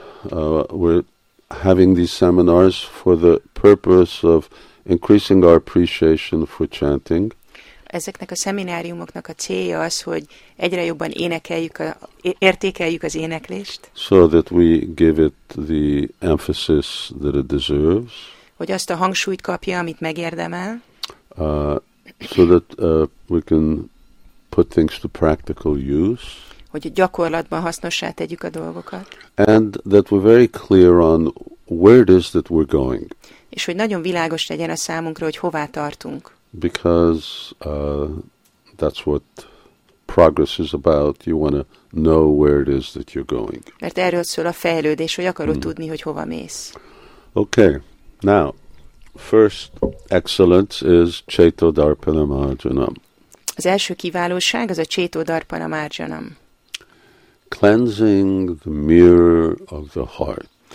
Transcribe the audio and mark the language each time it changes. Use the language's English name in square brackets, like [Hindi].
[English] So we're having these seminars for the purpose of increasing our appreciation for chanting. [Hungarian] Ezeknek a szemináriumoknak a célja az, hogy egyre jobban értékeljük az éneklést. [English] So that we give it the emphasis that it deserves. [Hungarian] Hogy azt a hangsúlyt kapja, amit megérdemel. [English] So that we can put things to practical use. [Hungarian] Hogy gyakorlatban hasznossá tegyük a dolgokat. [English] And that we're very clear on where it is that we're going. [Hungarian] És hogy nagyon világos legyen a számunkra, hogy hová tartunk. [English] Because that's what progress is about. You want to know where it is that you're going. [Hungarian] Mert erről szól a fejlődés, hogy akarod tudni, hogy hova mész. [English] Okay. Now, first excellence is Cheto Darpana Marjanam. [Hungarian] Az első kiválóság az a Cheto Darpana Marjanam. [English] Cleansing the mirror of the heart.